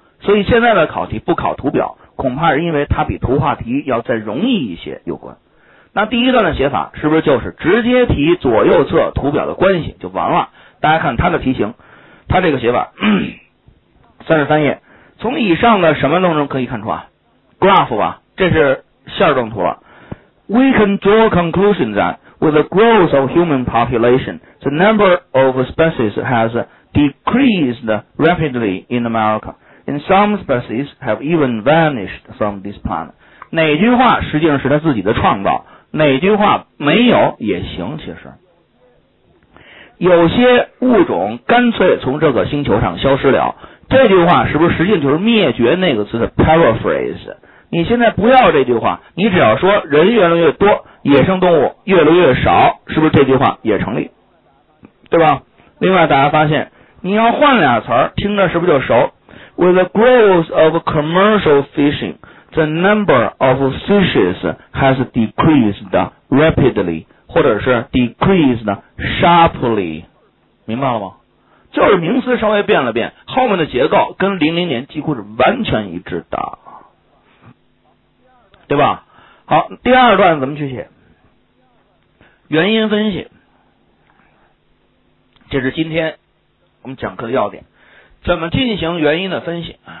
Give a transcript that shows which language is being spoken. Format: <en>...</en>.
<zh>所以现在的考题不考图表，恐怕是因为它比图画题要再容易一些有关。那第一段的写法是不是就是直接提左右侧图表的关系就完了？大家看它的题型，它这个写法33页，从以上的什么内容可以看出啊？ graph 吧，这是线状图了。</zh> <en>We can draw conclusions that with the growth of human population, the number of species has decreased rapidly in America, and some species have even vanished from this planet.</en> <zh>哪句话实际上是他自己的创造，哪句话没有也行，其实有些物种干脆从这个星球上消失了，这句话是不是实际上就是灭绝那个词的 paraphrase？你现在不要这句话，你只要说人越来越多，野生动物越来越少，是不是这句话也成立，对吧？另外大家发现，你要换俩词儿，听着是不是就熟？</zh> <en>With the growth of commercial fishing, the number of fishes has decreased rapidly,</en> <zh>或者是</zh> <en>decreased sharply,</en> <zh>明白了吗？就是名词稍微变了变，后面的结构跟00年几乎是完全一致的，对吧？好，第二段怎么去写？原因分析，这是今天我们讲课的要点，怎么进行原因的分析？</zh>